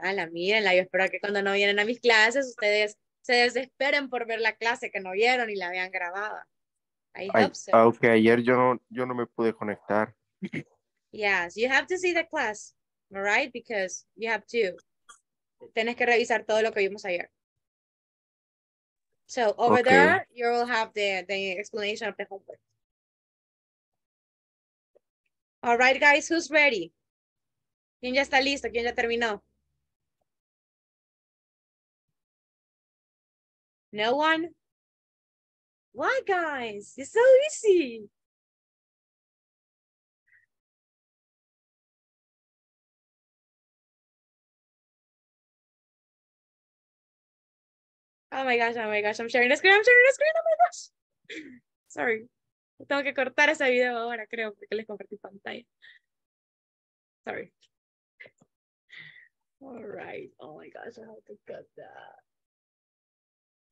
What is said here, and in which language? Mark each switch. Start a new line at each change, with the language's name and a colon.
Spanish: Mírala. Yo espero que cuando no vienen a mis clases, ustedes se desesperen por ver la clase que no vieron y la habían grabada. Ok, ayer yo no me pude conectar.
English: Yes, you have to see the class, right? Because you have to.
Spanish: Tienes que revisar todo lo que vimos ayer.
English: So, over okay. There, you will have the explanation of the homework. All right, guys, who's ready?
Spanish: ¿Quién ya está listo? ¿Quién ya terminó?
English: No one? Why, guys? It's so easy. Oh, my gosh. I'm sharing the screen. Oh, my gosh. Sorry.
Spanish: Tengo que cortar ese video ahora, creo, porque les compartí pantalla.
English: Sorry. All right. Oh, my gosh. I have to cut that.